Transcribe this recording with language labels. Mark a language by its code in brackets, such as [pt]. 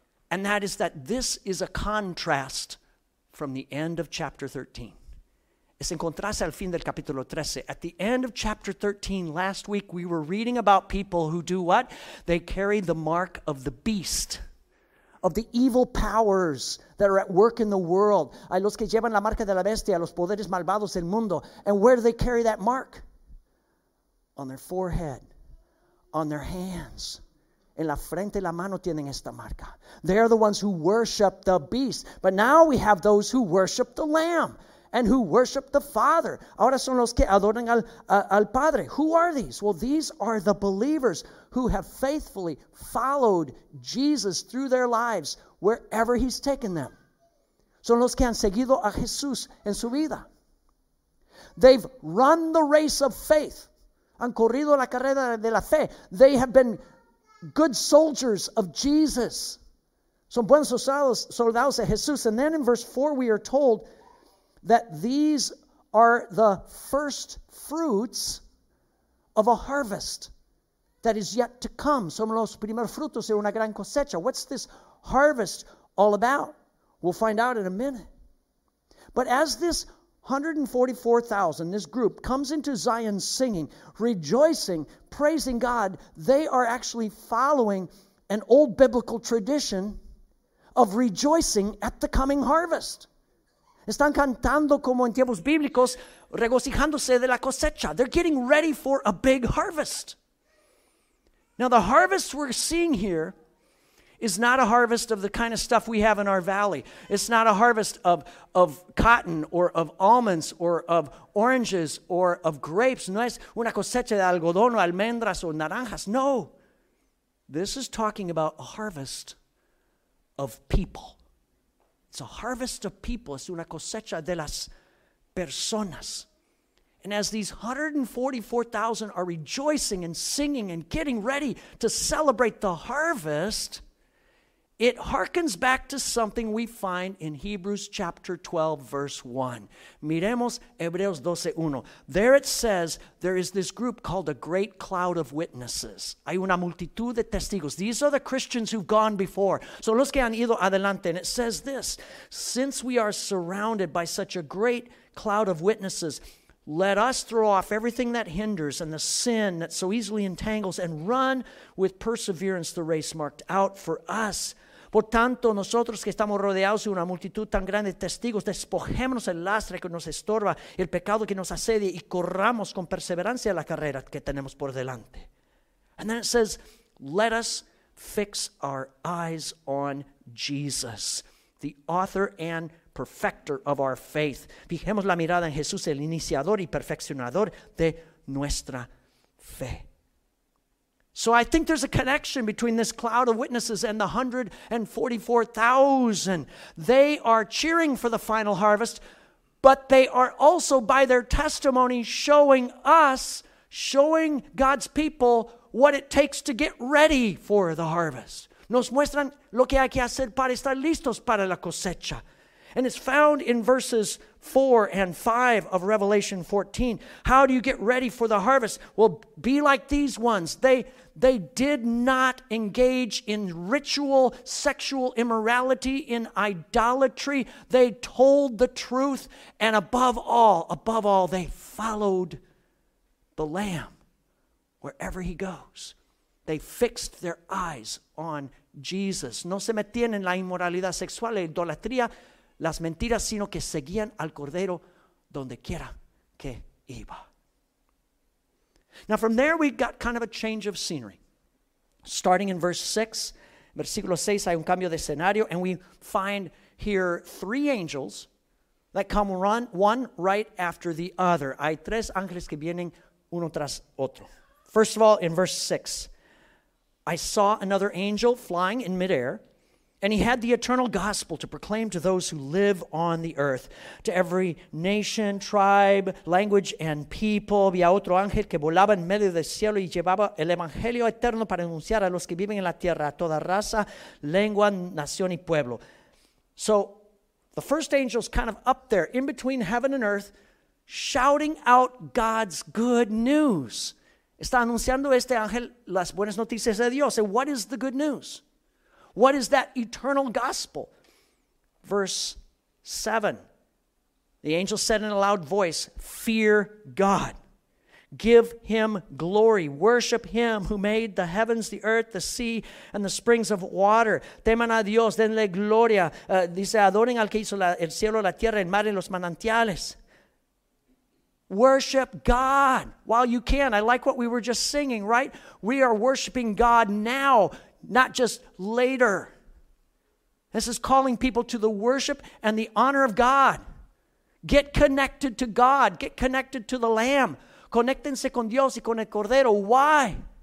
[en] And that is that this is a contrast from the end of chapter 13. [es] Es en contraste al fin del capítulo 13. [en] At the end of chapter 13, last week, we were reading about people who do what? They carry the mark of the beast, of the evil powers that are at work in the world. [es] A los que llevan la marca de la bestia, a los poderes malvados del mundo. [en] And where do they carry that mark? On their forehead. On their hands. [es] En la frente y la mano tienen esta marca. [en] They are the ones who worship the beast. But now we have those who worship the Lamb and who worship the Father. [es] Ahora son los que adoran al Padre. [en] Who are these? Well, these are the believers who have faithfully followed Jesus through their lives wherever He's taken them. [es] Son los que han seguido a Jesús en su vida. [en] They've run the race of faith. [es] Han corrido la carrera de la fe. [en] They have been good soldiers of Jesus. [es] Son buenos soldados de Jesús. [en] And then in verse 4 we are told that these are the first fruits of a harvest that is yet to come. [es] Son los primeros frutos de una gran cosecha. [en] What's this harvest all about? We'll find out in a minute. But as this 144,000, this group, comes into Zion singing, rejoicing, praising God, they are actually following an old biblical tradition of rejoicing at the coming harvest. [es] Están cantando como en tiempos bíblicos, regocijándose de la cosecha. [en] They're getting ready for a big harvest. Now, the harvest we're seeing here is not a harvest of the kind of stuff we have in our valley. It's not a harvest of cotton or of almonds or of oranges or of grapes. [es] No es una cosecha de algodón o almendras o naranjas. [en] No. This is talking about a harvest of people. It's a harvest of people. [es] Es una cosecha de las personas. [en] And as these 144,000 are rejoicing and singing and getting ready to celebrate the harvest, it harkens back to something we find in Hebrews chapter 12, verse 1. [es] Miremos Hebreos 12, 1. [en] There it says there is this group called a great cloud of witnesses. [es] Hay una multitud de testigos. [en] These are the Christians who've gone before. [es] So los que han ido adelante. [en] And it says this, since we are surrounded by such a great cloud of witnesses, let us throw off everything that hinders and the sin that so easily entangles and run with perseverance the race marked out for us. [es] Por tanto, nosotros que estamos rodeados de una multitud tan grande de testigos, despojémonos el lastre que nos estorba, el pecado que nos asedia, y corramos con perseverancia la carrera que tenemos por delante. [en] And then it says, let us fix our eyes on Jesus, the author and perfecter of our faith. [es] Fijemos la mirada en Jesús, el iniciador y perfeccionador de nuestra fe. [en] So I think there's a connection between this cloud of witnesses and the 144,000. They are cheering for the final harvest, but they are also by their testimony showing us, showing God's people what it takes to get ready for the harvest. [es] Nos muestran lo que hay que hacer para estar listos para la cosecha. [en] And it's found in verses 4 and 5 of Revelation 14. How do you get ready for the harvest? Well, be like these ones. They did not engage in ritual, sexual immorality, in idolatry. They told the truth. And above all, they followed the Lamb wherever he goes. They fixed their eyes on Jesus. [es] No se metían en la inmoralidad sexual, la idolatría, las mentiras, sino que seguían al Cordero donde quiera que iba. [en] Now from there we got kind of a change of scenery. Starting in verse 6, [es] versículo 6, hay un cambio de escenario, [en] and we find here three angels that come run one right after the other. [es] Hay tres ángeles que vienen uno tras otro. [en] First of all, in verse 6, I saw another angel flying in midair, and he had the eternal gospel to proclaim to those who live on the earth, to every nation, tribe, language, and people. [es] Vi a otro ángel que volaba en medio del cielo y llevaba el evangelio eterno para anunciar a los que viven en la tierra, a toda raza, lengua, nación y pueblo. [en] So the first angel's kind of up there in between heaven and earth, shouting out God's good news. [es] Está anunciando este ángel las buenas noticias de Dios. [en] And what is the good news? What is that eternal gospel? Verse 7. The angel said in a loud voice, "Fear God. Give him glory. Worship him who made the heavens, the earth, the sea, and the springs of water." [es] Teman a Dios, denle gloria. Dice, adoren al que hizo el cielo, la tierra, el mar y los manantiales. [en] Worship God while you can. I like what we were just singing, right? We are worshiping God now, not just later. This is calling people to the worship and the honor of God. Get connected to God. Get connected to the Lamb. [es] Conéctense con Dios y con el Cordero. [en] Why?